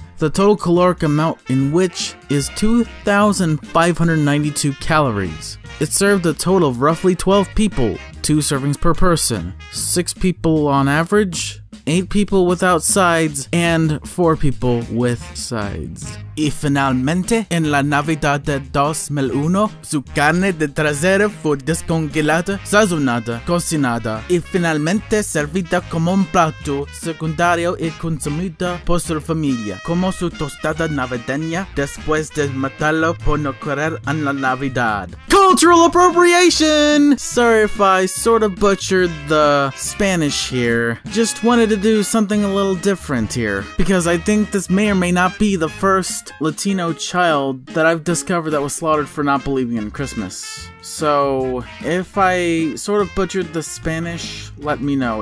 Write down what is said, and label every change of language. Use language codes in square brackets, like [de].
[en] The total caloric amount in which is 2,592 calories. It served a total of roughly 12 people, 2 servings per person, 6 people on average, 8 people without sides, and 4 people with sides. [es] Y finalmente, en la Navidad de 2001, su carne de trasero fue descongelada, sazonada, cocinada, y finalmente servida como un plato secundario y consumida por su familia, como su tostada navideña, después de matarlo por no correr en la Navidad. [en] Cultural appropriation! Sorry if I sort of butchered the Spanish here. Just wanted to do something a little different here, because I think this may or may not be the first Latino child that I've discovered that was slaughtered for not believing in Christmas. So, if I sort of butchered the Spanish, let me know.